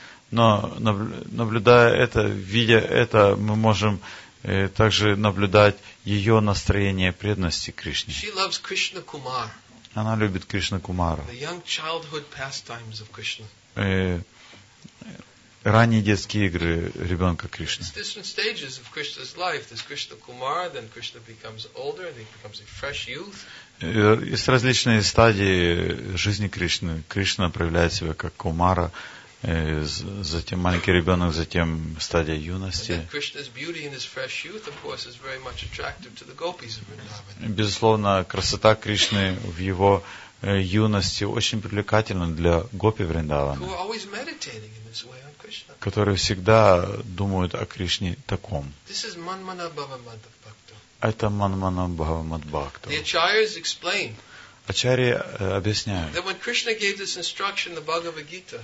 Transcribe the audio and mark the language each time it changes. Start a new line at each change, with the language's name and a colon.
Russian: Но наблюдая это, видя это, мы можем также наблюдать ее настроение преданности Кришне.
English: She loves Krishna Kumar.
Russian: Она любит Кришна Кумара.
English: The young childhood pastimes of Krishna.
Russian: ранние детские игры ребенка Кришны.
English: There's different stages of Krishna's life. There's Krishna Kumar, then Krishna becomes older, and he becomes a fresh youth.
Russian: Есть различные стадии жизни Кришны. Кришна проявляет себя как Кумара, затем маленький ребенок, затем стадия юности.
English: Krishna's beauty in his fresh youth, of course, is very much attractive to the gopis of Vrindavan.
Russian: Безусловно, красота Кришны в его юности очень привлекательна для гопи Вриндавана,
English: who are always meditating in this way on Krishna.
Russian: Которые всегда думают о Кришне таком.
English: This is Manmana Bhava Madhbhakta.
Russian: Это Манмана Бхава Мадбхакта.
English: The Acharyas explain.
Russian: Ачарьи объясняют,
English: that when Krishna gave this instruction, the Bhagavad Gita,